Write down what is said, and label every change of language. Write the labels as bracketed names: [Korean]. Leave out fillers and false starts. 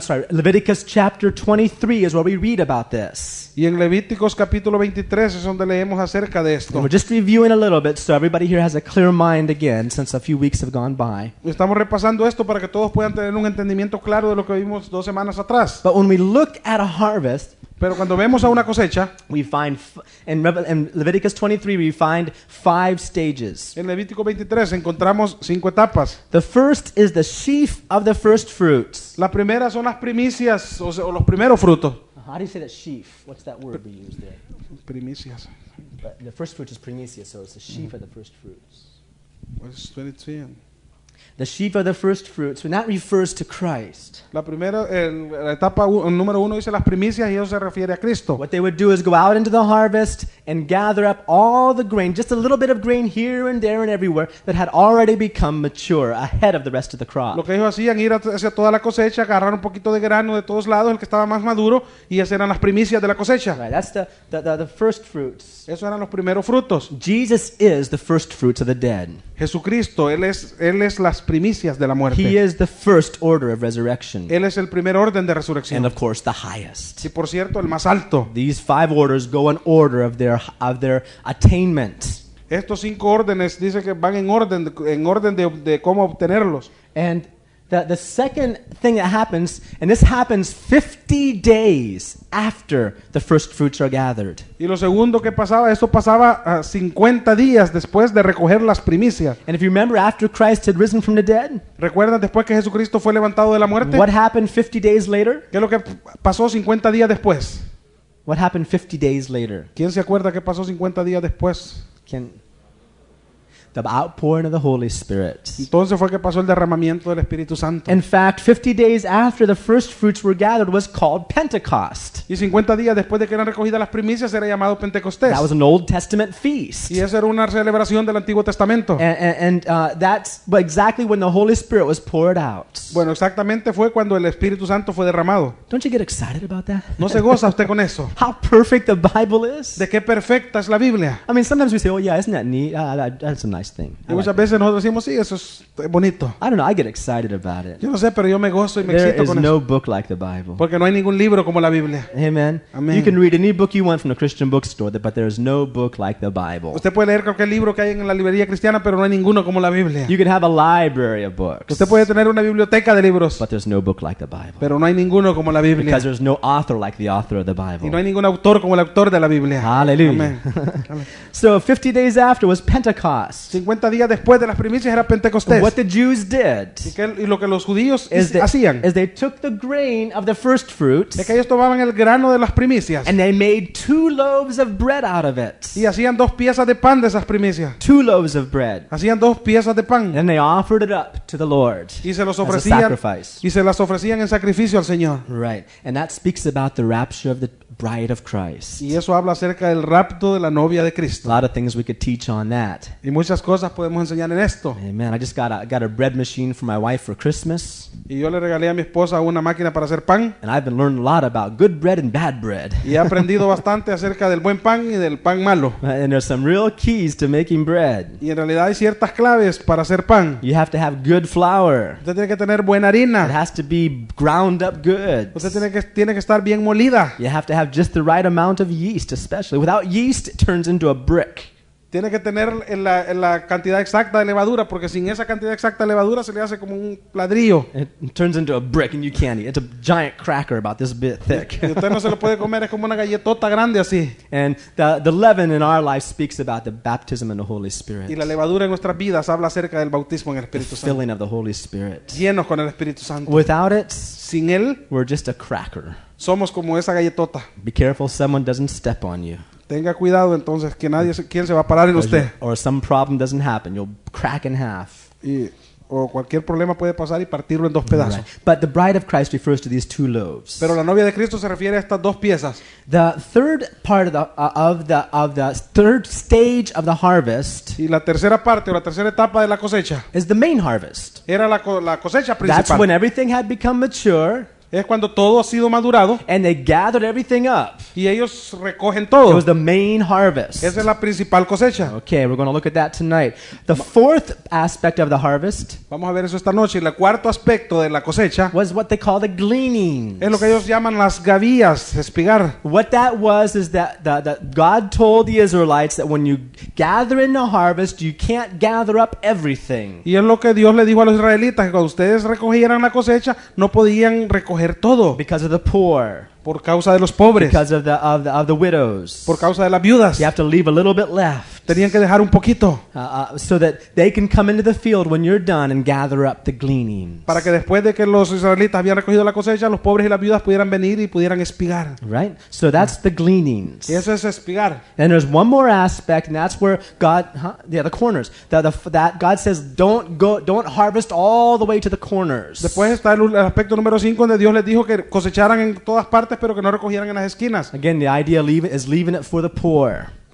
[English] Leviticus chapter 23 is where we read about this. [Spanish] Y en Levíticos capítulo 23 es donde leemos acerca de esto. [English] And we're just reviewing a little bit so everybody here has a clear mind again since a few weeks have gone by. [Spanish] Estamos repasando esto para que todos puedan tener un entendimiento claro de lo que vimos dos semanas atrás. [English] But when we look at a harvest, [Spanish] pero cuando vemos a una cosecha, [English] we find in Leviticus 23 we find five stages. [Spanish] En Levítico 23 encontramos cinco etapas. [English] The first is the sheaf of the first fruits. [Spanish] La primera son las primicias o los primeros frutos. [English] How do you say that sheaf? What's that word we use there? [Spanish] Primicias. [English] But the first fruit is primicia, so it's the sheaf of the first fruits. What's 23? The sheaf of the first fruits, when that refers to Christ. [Spanish] La primera, la etapa número uno dice las primicias y eso se refiere a Cristo. [English] What they would do is go out into the harvest and gather up all the grain, just a little bit of grain here and there and everywhere that had already become mature ahead of the rest of the crop. [Spanish] Lo que ellos hacían, ir hacia toda la cosecha, agarrar un poquito de grano de todos lados, el que estaba más maduro, y esas eran las primicias de la cosecha. [English] Right, that's the first fruits. [Spanish] Esos eran los primeros frutos. [English] Jesus is the first fruits of the dead. [Spanish] Jesucristo, él es las primicias de la muerte. [English] He is the first order of resurrection. [Spanish] Él es el primer orden de resurrección. [English] And of course, the highest. [Spanish] Y por cierto, el más alto. [English] These five orders go in order of their attainment. [Spanish] Estos cinco órdenes dice que van en orden de cómo obtenerlos. [English] And the second thing that happens, and this happens 50 days after the first fruits are gathered. [Spanish] Y lo segundo que pasaba, esto pasaba 50 días después de recoger las primicias. [English] And if you remember, after Christ had risen from the dead, [Spanish] ¿recuerdan después que Jesucristo fue levantado de la muerte? [English] What happened 50 days later? [Spanish] ¿Qué es lo que pasó 50 días después? [English] What happened 50 days later? [Spanish] ¿Quién se acuerda qué pasó 50 días después? [English] The outpouring of the Holy Spirit. [Spanish] Entonces fue que pasó el derramamiento del Espíritu Santo. [English] In fact, 50 days after the first fruits were gathered was called Pentecost. [Spanish] Y 50 días después de que eran recogidas las primicias era llamado Pentecostés. [English] That was an Old Testament feast. [Spanish] Y esa era una celebración del Antiguo Testamento. [English] And that's exactly when the Holy Spirit was poured out. [Spanish] Bueno, exactamente fue cuando el Espíritu Santo fue derramado. [English] Don't you get excited about that? [Spanish] ¿No se goza usted con eso? [English] How perfect the Bible is. [Spanish] ¿De qué perfecta es la Biblia? [English] I mean, sometimes we say, oh yeah, isn't that neat? That's nice thing. [Spanish] Y muchas veces nosotros decimos, sí, eso es bonito. [English] I don't know, I get excited about it. [Spanish] Yo no sé, pero yo me gozo y me excito con eso. [English] There is no book like the Bible. [Spanish] Porque no hay ningún libro como la Biblia. [English] Amen. [Spanish] Amen. [English] You can read any book you want from a Christian bookstore, but there is no book like the Bible. [Spanish] Usted puede leer cualquier libro que hay en la librería cristiana, pero no hay ninguno como la Biblia. [English] You can have a library of books. [Spanish] Usted puede tener una biblioteca de libros. [English] But there's no book like the Bible. [Spanish] Pero no hay ninguno como la Biblia. [English] Because there's no author like the author of the Bible. [Spanish] Y no hay ningún autor como el autor de la Biblia. [English] Hallelujah. [Spanish] Amen. [English] So 50 days after was Pentecost. [Spanish] 50 días después de las primicias era Pentecostés. [English] What the Jews did is they took the grain of the first fruits, [Spanish] es que ellos tomaban el grano de las primicias, [English] and they made two loaves of bread out of it. [Spanish] Y hacían dos piezas de pan de esas primicias. [English] Two loaves of bread. [Spanish] Hacían dos piezas de pan. [English] And they offered it up to the Lord. [Spanish] Y se los ofrecían, [English] as a sacrifice. [Spanish] Y se las ofrecían en sacrificio al Señor. [English] Right. And that speaks about the rapture of the bride of Christ. [Spanish] Y eso habla acerca del rapto de la novia de Cristo. [English] A lot of things we could teach on that. [Spanish] Y muchas cosas podemos enseñar en esto. [English] Amen. I just got a bread machine for my wife for Christmas. [Spanish] Y yo le regalé a mi esposa una máquina para hacer pan. [English] And I've been learning a lot about good bread and bad bread. [Spanish] Y he aprendido bastante acerca del buen pan y del pan malo. [English] And there's some real keys to making bread. [Spanish] Y en realidad hay ciertas claves para hacer pan. [English] You have to have good flour. [Spanish] Usted tiene que tener buena harina. [English] It has to be ground up good. [Spanish] Usted tiene que estar bien molida. [English] You have to have just the right amount of yeast, especially. Without yeast, it turns into a brick. [Spanish] Tiene que tener la cantidad exacta de levadura, porque sin esa cantidad exacta de levadura se le hace como un ladrillo. [English] It turns into a brick and you can't eat. It's a giant cracker about this bit thick. [Spanish] Y usted no se lo puede comer, es como una galletota grande así. [English] And the leaven in our life speaks about the baptism in the Holy Spirit. [Spanish] Y la levadura en nuestras vidas habla acerca del bautismo en el Espíritu Santo. [English] Filling of the Holy Spirit. [Spanish] Llenos con el Espíritu Santo. [English] Without it, [Spanish] sin él, [English] we're just a cracker. [Spanish] Somos como esa galletota. [English] Be careful someone doesn't step on you. [Spanish] Tenga cuidado entonces que nadie quién se va a parar en usted. [English] Or some problem doesn't happen, you'll crack in half. [Spanish] O cualquier problema puede pasar y partirlo en dos pedazos. [English] Right. But the bride of Christ refers to these two loaves. [Spanish] Pero la novia de Cristo se refiere a estas dos piezas. [English] The third part of the third stage of the harvest. [Spanish] Y la tercera parte o la tercera etapa de la cosecha. [English] Is the main harvest. [Spanish] Era la cosecha principal. [English] That's when everything had become mature. [Spanish] Es cuando todo ha sido madurado. [English] And they gathered everything up. [Spanish] Y ellos recogen todo. [English] It was the main harvest. [Spanish] Esa es la principal cosecha. [English] Okay, we're going to look at that tonight. The fourth aspect of the harvest. [Spanish] Vamos a ver eso esta noche. El cuarto aspecto de la cosecha. [English] Was what they call the gleanings. [Spanish] Es lo que ellos llaman las gavillas, espigar. [English] What that was is that that God told the Israelites that when you gather in the harvest, you can't gather up everything. [Spanish] Y es lo que Dios le dijo a los israelitas, que cuando ustedes recogieran la cosecha, no podían recoger todo. [English] Because of the poor. [Spanish] Por causa de los pobres. [English] Because of the widows. [Spanish] Por causa de las viudas. [English] You have to leave a little bit left. [Spanish] Tenían que dejar un poquito. [English] So that they can come into the field when you're done and gather up the gleanings. [Spanish] Para que después de que los israelitas habían recogido la cosecha, los pobres y las viudas pudieran venir y pudieran espigar. [English] Right? So that's the gleanings. [Spanish] Y eso es espigar. [English] And there's one more aspect, and that's where God, the corners. That God says, don't harvest all the way to the corners. [Spanish] Después está el aspecto número 5 donde Dios les dijo que cosecharan en todas partes. Espero que no recogieran en las esquinas. [English] Again, the idea is leaving it for the poor.